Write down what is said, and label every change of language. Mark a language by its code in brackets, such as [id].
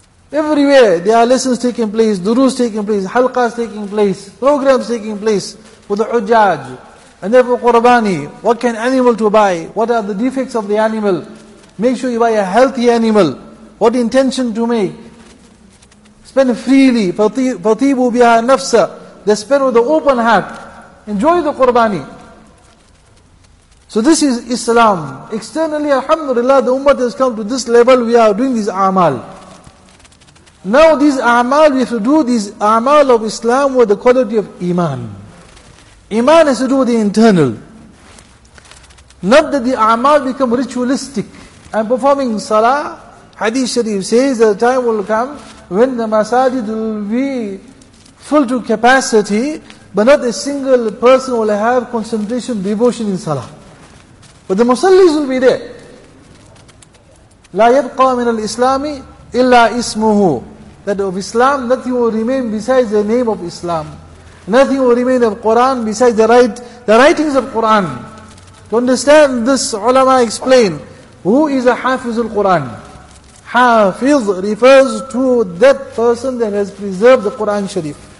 [en] Everywhere there are lessons taking place, durus taking place, halqas taking place, programs taking place for the hujjaj. And therefore Qurbani, what can animal to buy? What are the defects of the animal? Make sure you buy a healthy animal. What intention to make? Spend freely. [ar] فَطِيبُوا بِهَا nafsa. [en] They spend with an open heart. Enjoy the Qurbani. So this is Islam. Externally, alhamdulillah, the ummah has come to this level, we are doing these a'mal. Now these a'mal, we have to do these a'mal of Islam with the quality of Iman. Iman has to do with the internal. Not that the a'mal become ritualistic. I'm performing salah, Hadith Sharif says that a time will come when the masajid will be full to capacity, but not a single person will have concentration, devotion in salah. But the musallis will be there. [ar] لا يبقى من الإسلام إلا اسمه. [en] That of Islam, nothing will remain besides the name of Islam. Nothing will remain of Quran besides the writings of Quran. To understand this, ulama explain, who is a hafiz al-Quran? Hafiz refers to that person that has preserved the Quran Sharif.